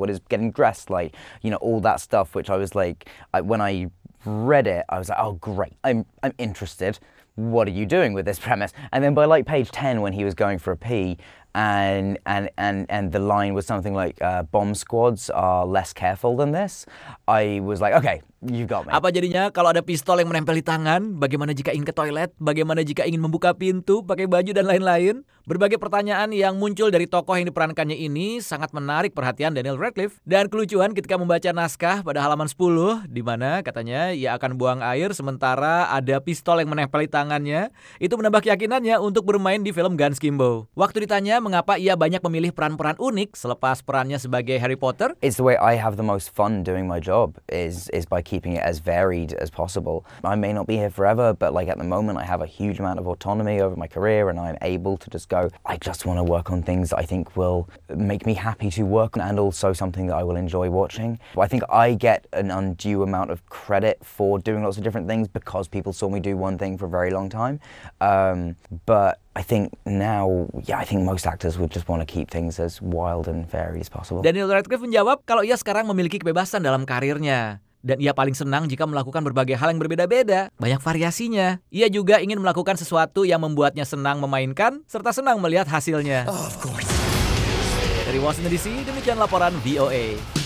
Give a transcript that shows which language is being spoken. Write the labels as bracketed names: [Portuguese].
[English] What is getting dressed like? You know, all that stuff," which I was like, when I read it, I was like, "Oh great, I'm interested. What are you doing with this premise?" And then by like page 10, when he was going for a pee, and the line was something like, "Bomb squads are less careful than this," I was like, "Okay, you got me." [Indonesian] Apa jadinya kalau ada pistol yang menempel di tangan? Bagaimana jika ingin ke toilet? Bagaimana jika ingin membuka pintu, pakai baju, dan lain-lain? Berbagai pertanyaan yang muncul dari tokoh yang diperankannya ini sangat menarik perhatian Daniel Radcliffe. Dan kelucuan ketika membaca naskah pada halaman 10, di mana katanya ia akan buang air sementara ada pistol yang menempel di tangannya, itu menambah keyakinannya untuk bermain di film Guns Akimbo. Waktu ditanya mengapa ia banyak memilih peran-peran unik selepas perannya sebagai Harry Potter, [English] "It's the way I have the most fun doing my job is by keeping it as varied as possible. I may not be here forever, but like at the moment I have a huge amount of autonomy over my career and I'm able to just go, I just want to work on things that I think will make me happy to work on and also something that I will enjoy watching. But I think I get an undue amount of credit for doing lots of different things because people saw me do one thing for a very long time. But I think now, yeah, I think most actors would just want to keep things as wild and varied as possible." [Indonesian] Daniel Radcliffe menjawab kalau ia sekarang memiliki kebebasan dalam karirnya. Dan ia paling senang jika melakukan berbagai hal yang berbeda-beda, banyak variasinya. Ia juga ingin melakukan sesuatu yang membuatnya senang memainkan, serta senang melihat hasilnya. Oh, dari Washington DC, demikian laporan VOA.